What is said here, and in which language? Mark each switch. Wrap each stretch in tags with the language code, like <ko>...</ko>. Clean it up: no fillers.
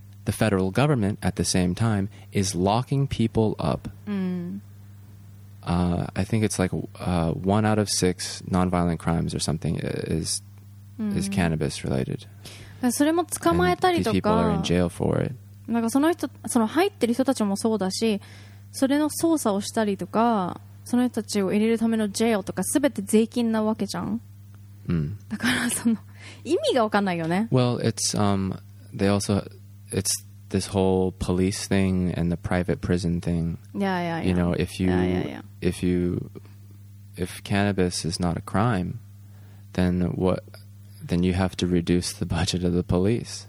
<en>the federal government at the same time is locking people up. I think it's like one out of six nonviolent crimes or something is cannabis related.</en> <ja>それも捕まえたりとか、なんかその人、その入ってる人たちもそうだし、それの捜査をしたりとか、その人たちを入れるためのジェイルとか、すべて税金なわけじゃん。だからその意味が分かんないよね。</ja> <en>Well, it's they also it's this whole police thing and the private prison thing. Yeah, yeah, yeah. You know, if cannabis is not a crime, then what? Then you have to reduce the budget of the police.</en>